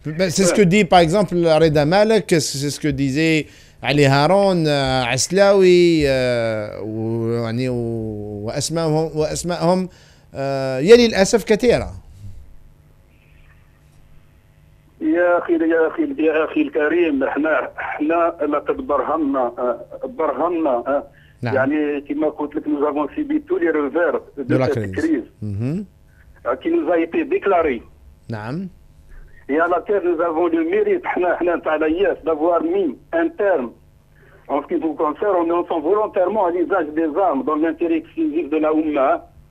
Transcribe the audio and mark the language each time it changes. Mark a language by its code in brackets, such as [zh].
[fr] C'est ce que dit par exemple Reda Malek, c'est ce que disait Ali Haroun, Aslaoui [ar] ويعني واسماءهم يلي للاسف كثيره. يا اخي الكريم، احنا لقد برهنا نعم. يعني كما قلت لك [fr] nous avons subi tous les revers de la crise qui nous a été déclaré. نعم. Et à laquelle nous avons le mérite [ar] احنا نتاع الياس [fr] d'avoir mis un terme en ce qui vous concerne en annonçant volontairement à l'usage des armes dans l'intérêt exclusif de la Oumma.